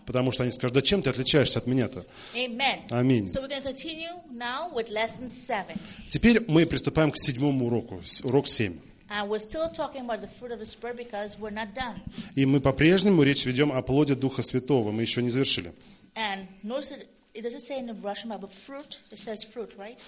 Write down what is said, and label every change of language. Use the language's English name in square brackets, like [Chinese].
[Russian] Потому что они скажут, да чем ты отличаешься от меня-то? [English] Amen. [Russian] Аминь. [English] So we're going to continue now with lesson 7. [Russian] Теперь мы приступаем к седьмому уроку, урок 7. [English] And we're still talking about the fruit of the Spirit because we're not done. [Russian] И мы по-прежнему речь ведем о плоде Духа Святого, мы еще не завершили. [English] And notice it doesn't say in the Russian Bible fruit, it says fruit, right?